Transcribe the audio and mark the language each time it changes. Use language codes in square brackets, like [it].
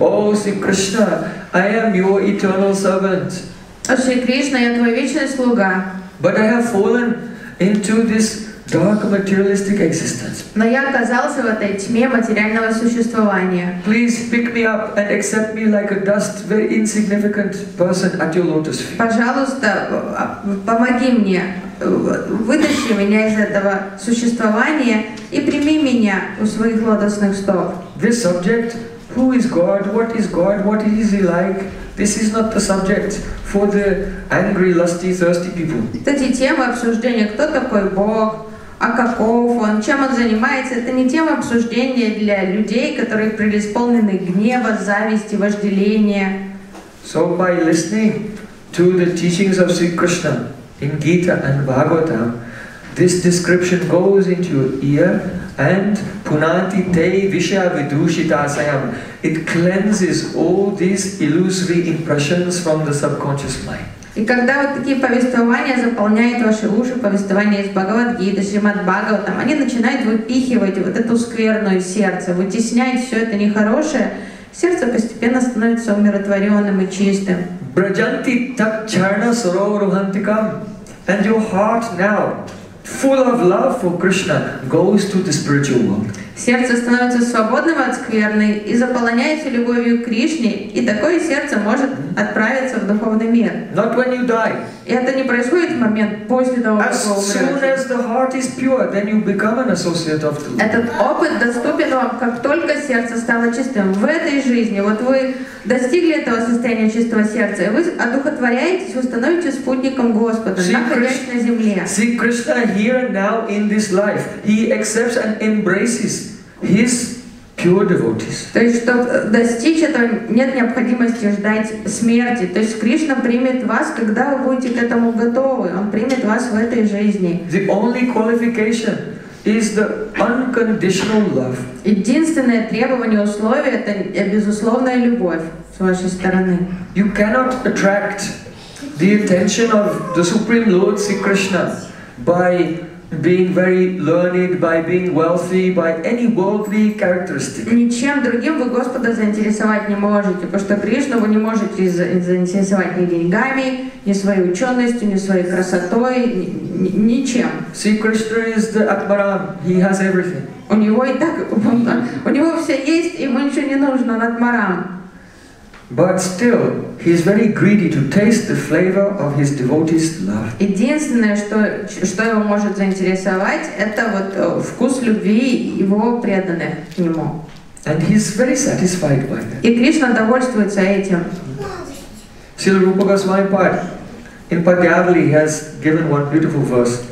[en] Oh, see Krishna, I am your eternal servant. [ru] Шри Кришна, я твой вечный слуга. [en] But I have fallen into this dark materialistic existence. [ru] Но я оказался в этой тьме материального существования. [en] Please pick me up and accept me like a dust, very insignificant person at your lotus feet. [ru] Пожалуйста, помоги мне, вытащи меня из этого существования и прими меня у своих лотосных стоп. [en] This subject, who is God? What is God? What is He like? This is not the subject for the angry, lusty, thirsty people. [ru] Эти темы обсуждения, кто такой Бог, а каков он, чем он занимается, это не тема обсуждения для людей, которые преисполнены гнева, зависти, вожделения. [en] So by listening to the teachings of Sri Krishna in Gita and Bhagavatam, this description goes into your ear and [sa] punanti te visha vidushita sayam. [en] It cleanses all these illusory impressions from the subconscious mind. [ru] И когда вот такие повествования заполняют ваши уши, повествования из Бхагавад-гиты, Шримад-Бхагаватам, они начинают выпихивать вот эту скверную сердце, вытесняют все это нехорошее, сердце постепенно становится умиротворенным и чистым. Брджанти так чарна сурово рухантикам. [en] And your heart now, full of love for Krishna, goes to the spiritual world. [ru] Сердце становится свободным от скверны и заполняется любовью к Кришне, и такое сердце может отправиться в духовный мир. [en] Not when you die. [ru] И это не происходит в момент после того, как вы умираете. [en] As soon as the heart is pure, then you become an associate of truth. [ru] Этот опыт доступен вам, как только сердце стало чистым. В этой жизни, вот вы достигли этого состояния чистого сердца, и вы одухотворяетесь, вы становитесь спутником Господа, находясь на земле. [en] See, Krishna here and now in this life, he accepts and embraces His pure devotees. [ru] То есть, чтобы достичь этого, нет необходимости ждать смерти. То есть, Кришна примет вас, когда вы будете к этому готовы. Он примет вас в этой жизни. [en] The only qualification is the unconditional love. [ru] Единственное требование, условие — это безусловная любовь с вашей стороны. [en] You cannot attract the attention of the Supreme Lord, Sri Krishna, by being very learned, by being wealthy, by any worldly characteristic. [ru] Ничем другим вы Господа заинтересовать не можете, потому что Кришну вы не можете заинтересовать ни деньгами, ни своей ученостью, ни своей красотой, ничем. [en] See, Krishna is the Atmaram. He has everything. [ru] У него и так, у него все есть, ему ничего не нужно, он Атмарам. [en] But still, he is very greedy to taste the flavor of his devotee's love. [ru] Единственное, что его может заинтересовать, это вот вкус любви его преданных к нему. [en] And he is very satisfied by that. [ru] И Кришна довольствуется этим. [en] Srila Rupa Goswami Pad in Padyavali has given one beautiful verse.